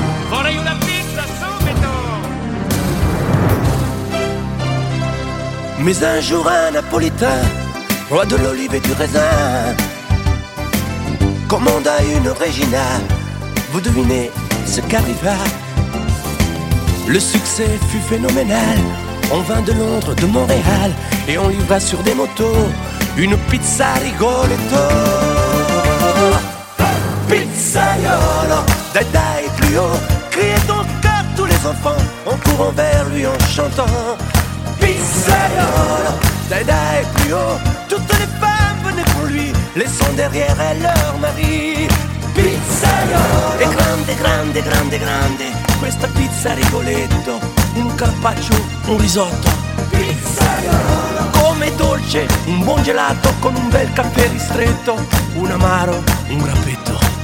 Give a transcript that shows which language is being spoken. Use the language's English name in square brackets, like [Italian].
[Italian] Vorrei una pizza subito. [French] Mais un jour un Napolitain, roi de l'olive et du raisin, commanda une Regina. Vous devinez ce qu'arriva. Le succès fut phénoménal, on vint de Londres, de Montréal, et on livra sur des motos une pizza Rigoletto. Pizzaiolo, dai dai plus haut, criez donc cœur tous les enfants, en courant vers lui en chantant. Pizzaiolo, dai dai plus haut, toutes les femmes venaient pour lui, laissant derrière elles leur mari. [Italian] Pizzaiolo, è grande, grande, grande, grande, questa pizza Rigoletto, un carpaccio, un risotto. Pizzaiolo, come dolce, un buon gelato, con un bel caffè ristretto, un amaro, un grappetto.